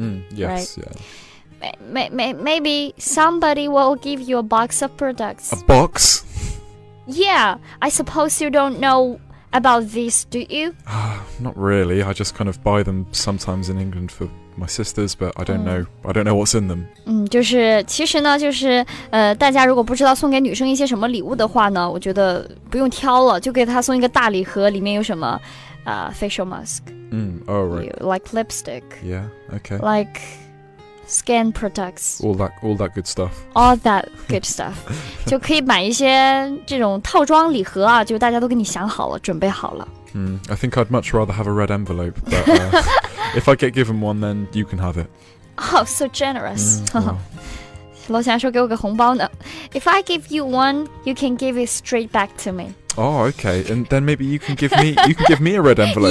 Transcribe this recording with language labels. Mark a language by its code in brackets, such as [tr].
[en] Yes, right? Yeah. Maybe somebody will give you a box of products. A box? Yeah, I suppose you don't know... About this, do you? Not really. I just kind of buy them sometimes in England for my sisters, but I don't know. I don't know what's in them. [zh] 就是其实呢，就是大家如果不知道送给女生一些什么礼物的话呢，我觉得不用挑了，就给她送一个大礼盒，里面有什么facial mask. [en] Oh right. Like lipstick. Yeah. Okay. Like skin products. All that good stuff. All that good stuff. [zh] 就可以买一些这种套装礼盒啊，就大家都给你想好了，准备好了。 [en] I think I'd much rather have a red envelope, but if I get given one, then you can have it. Oh, so generous. Wow. [zh] 罗翔说给我个红包呢。 [en] If I give you one, you can give it straight back to me. Oh, okay. And then maybe you can give me a red envelope.